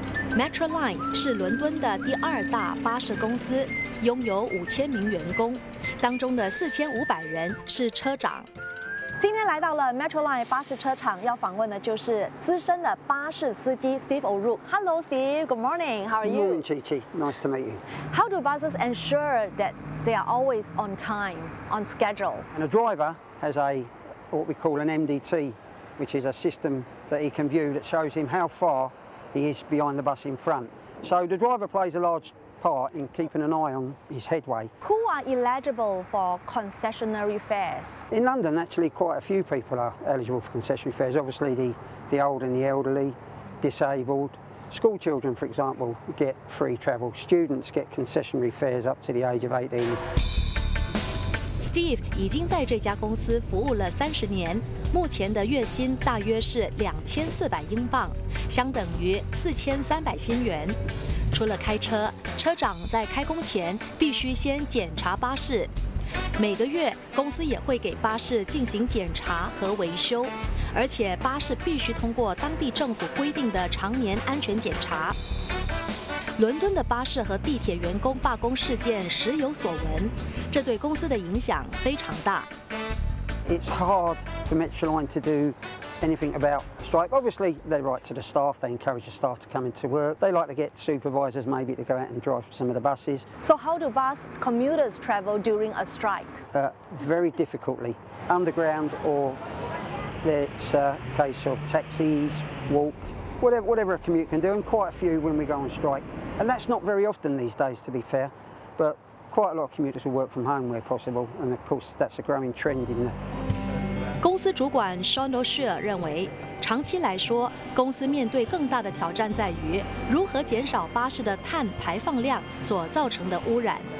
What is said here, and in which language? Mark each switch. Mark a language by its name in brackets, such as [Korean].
[Chinese] Metroline 是伦敦的第二大巴士公司，拥有5000名员工，当中的4500人是车长。今天来到了 Metroline 巴士车厂，要访问的就是资深的巴士司机 Steve O'Rourke。 [English] Hello, Steve. Good morning. How are you? Morning, Chi-Chi. Nice to meet you. How do buses ensure that they are always on time, on schedule? And a driver has what we call an MDT, which is a system that he can view that shows him how far he is behind the bus in front. So the driver plays a large part in keeping an eye on his headway. Who are eligible for concessionary fares? In London, actually, quite a few people are eligible for concessionary fares. Obviously, the old and the elderly, disabled, school children, for example, get free travel. Students get concessionary fares up to the age of 18. [Chinese] Steve 已经在这家公司服务了30年，目前的月薪大约是2400英镑，相等于4300新元。除了开车，车长在开工前必须先检查巴士，每个月公司也会给巴士进行检查和维修，而且巴士必须通过当地政府规定的常年安全检查。伦敦的巴士和地铁员工罢工事件时有所闻，这对公司的影响非常大。 [English] It's hard for Metroline to do anything aboutStrike. Obviously, they write to the staff, they encourage the staff to come into work. They like to get supervisors maybe to go out and drive some of the buses. So how do bus commuters travel during a strike? Very difficultly. Underground or it's a case of taxis, walk, whatever a commute can do, and quite a few when we go on strike. And that's not very often these days, to be fair, but quite a lot of commuters will work from home where possible, and of course that's a growing trend in the... [Chinese] 公司主管 Sean O'Shea 认为，长期来说，公司面对更大的挑战在于如何减少巴士的碳排放量所造成的污染。